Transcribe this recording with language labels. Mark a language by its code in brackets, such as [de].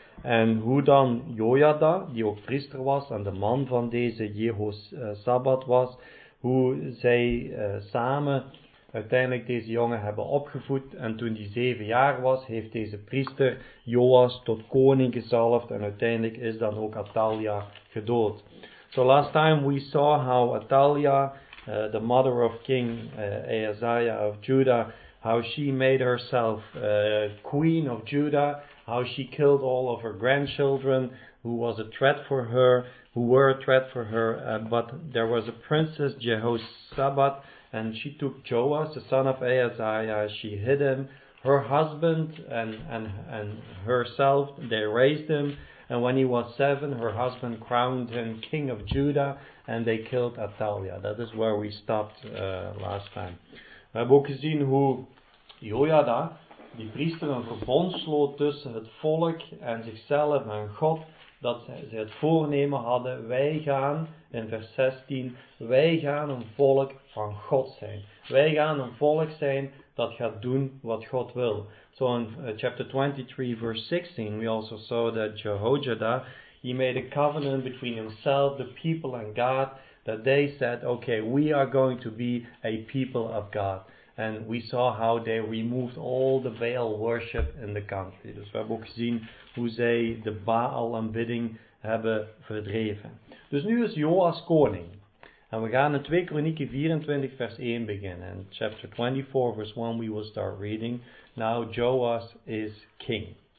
[nl] En hoe dan Jojada, die ook priester was en de man van deze Jehoshabat was, hoe zij samen uiteindelijk deze jongen hebben opgevoed. En toen die 7 jaar was, heeft deze priester Joas tot koning gezalfd. En uiteindelijk is dan ook Atalia gedood. [en] So last time we saw how Atalia, the mother of King Ahaziah of Judah, how she made herself queen of Judah, how she killed all of her grandchildren, who was a threat for her, who were a threat for her. But there was a princess, Jehoshabat, and she took Joas, the son of Ahaziah, she hid him, her husband and herself, they raised him. And when he was 7, her husband crowned him king of Judah, and they killed Athaliah. That is where we stopped last time. [nl] We hebben ook gezien hoe Jojada, die priester, een verbond sloot tussen het volk en zichzelf en God, dat ze het voornemen hadden, wij gaan, in vers 16, wij gaan een volk van God zijn. Wij gaan een volk zijn dat gaat doen wat God wil. [en] So in chapter 23, verse 16, we also saw that Jehojada, he made a covenant between himself, the people and God, that they said, okay, we are going to be a people of God. And we saw how they removed all the Baal worship in the country. [nl] Dus we hebben ook gezien hoe zij de Baal aanbidding hebben verdreven. Dus nu is Joas koning. En we gaan in 2 Kronieken 24 vers 1 beginnen. [en] In chapter 24 verse 1 we will start reading. Now Joas is king.